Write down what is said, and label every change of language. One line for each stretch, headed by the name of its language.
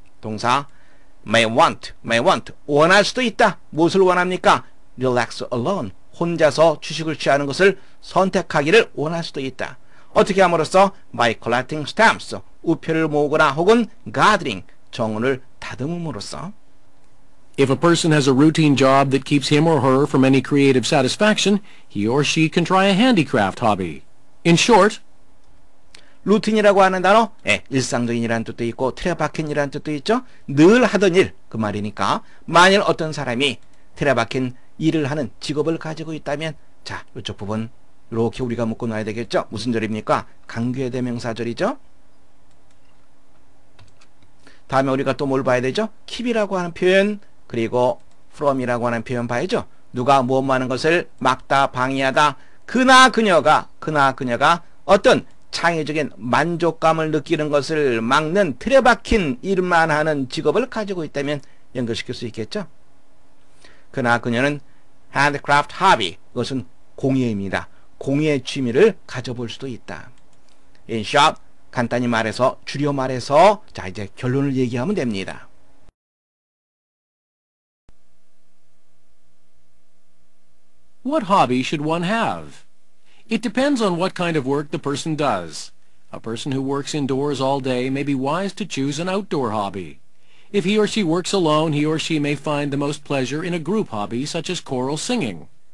Korean: 동사
English: may want
Korean: 원할 수도 있다. 무엇을 원합니까?
English: relax alone
Korean: 혼자서 휴식을 취하는 것을 선택하기를 원할 수도 있다. 어떻게 함으로써
English: by collecting stamps
Korean: 우표를 모으거나 혹은 gathering 정원을 다듬음으로써
English: If a person has a routine job that keeps him or her from any creative satisfaction, he or she can try a handicraft hobby. In short,
Korean: 루틴이라고 하는 단어, 예, 일상적인이라는 뜻도 있고 틀어박힌이라는 뜻도 있죠. 늘 하던 일, 그 말이니까 만일 어떤 사람이 틀어박힌 일을 하는 직업을 가지고 있다면 자, 이쪽 부분 이렇게 우리가 묶어놔야 되겠죠. 무슨 절입니까? 강괴대명사절이죠. 다음에 우리가 또 뭘 봐야 되죠? keep이라고 하는 표현 그리고 from이라고 하는 표현 봐야죠. 누가 무엇 많은 것을 막다 방해하다 그나 그녀가 어떤 창의적인 만족감을 느끼는 것을 막는 틀어박힌 일만 하는 직업을 가지고 있다면 연결시킬 수 있겠죠. 그나 그녀는
English: handcraft hobby
Korean: 그것은 공예입니다. 공예 취미를 가져볼 수도 있다.
English: In short
Korean: 간단히 말해서 줄여 말해서 자 이제 결론을 얘기하면 됩니다.
English: What hobby should one have? It depends on what kind of work the person does. A person who works indoors all day may be wise to choose an outdoor hobby. If he or she works alone, he or she may find the most pleasure in a group hobby such as choral singing.